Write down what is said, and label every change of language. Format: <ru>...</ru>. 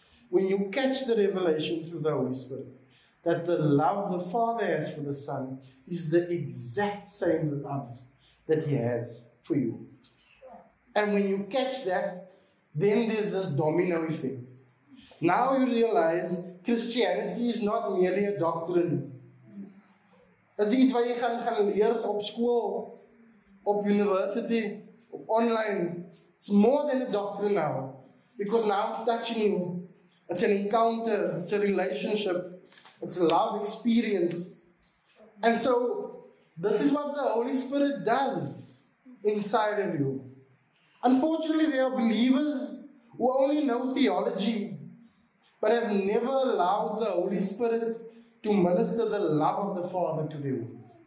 <en>When you catch the revelation through the Holy Spirit, that the love the Father has for the Son is the exact same love that he has for you. And when you catch that, then there's this domino effect. Now you realize Christianity is not merely a doctrine.</en> <nl>It's iets wat je gaan leren op school, op university, online.</nl> <en>It's more than a doctrine now. Because now it's touching you. It's an encounter, it's a relationship, it's a love experience. And so, this is what the Holy Spirit does inside of you. Unfortunately, there are believers who only know theology, but have never allowed the Holy Spirit to minister the love of the Father to them.</en>